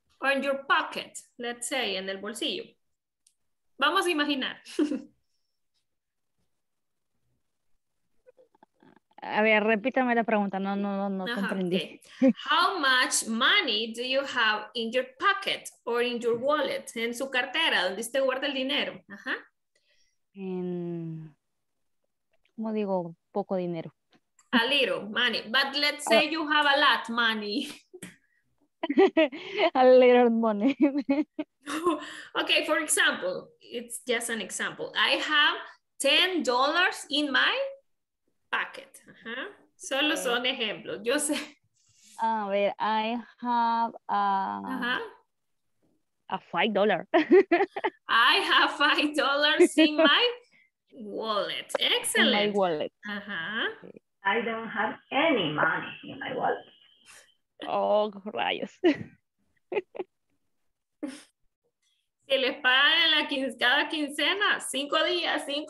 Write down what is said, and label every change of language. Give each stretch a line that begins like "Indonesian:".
English: Or in your pocket, let's say,
Spanish: en el bolsillo. Vamos a imaginar. A ver, repítame la pregunta. No, ajá, comprendí. Okay.
English: How much money do you have in your pocket or in your wallet?
Spanish: En su cartera, donde usted guarda el dinero. ¿Cómo digo? Poco dinero.
English: A little money. But let's say you have a lot money. A little money. Okay, for example, it's just an example. I have $10 in my pocket. Uh-huh.
Spanish: Solo son ejemplos. Yo sé. A ver,
English: I have a $5. I have $5 in my wallet. Excellent. In my wallet. Uh-huh. I don't have any money in my wallet.
Spanish: Oh, rayos. Si les pagan en la cada quincena, cinco días.